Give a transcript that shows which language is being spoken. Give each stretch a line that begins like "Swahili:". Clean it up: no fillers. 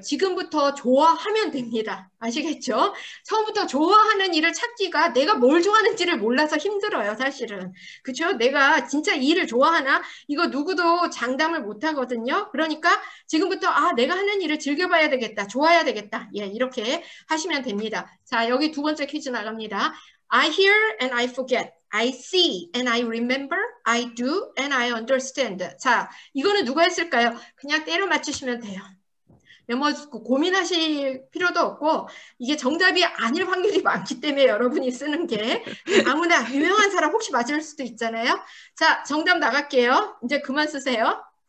Korean: 지금부터 좋아하면 됩니다. 아시겠죠? 처음부터 좋아하는 일을 찾기가 내가 뭘 좋아하는지를 몰라서 힘들어요, 사실은. 그렇죠? 내가 진짜 일을 좋아하나? 이거 누구도 장담을 못 하거든요. 그러니까 지금부터 내가 하는 일을 즐겨봐야 되겠다. 좋아야 되겠다. 예, 이렇게 하시면 됩니다. 자, 여기 두 번째 퀴즈 나갑니다.
English: I hear and I forget. I see and I remember, I do and I understand.
Korean: 자, 이거는 누가 했을까요? 그냥 때려 맞추시면 돼요. 고민하실 필요도 없고, 이게 정답이 아닐 확률이 많기 때문에 여러분이 쓰는 게. 아무나 유명한 사람 혹시 맞을 수도 있잖아요. 자, 정답 나갈게요. 이제 그만 쓰세요.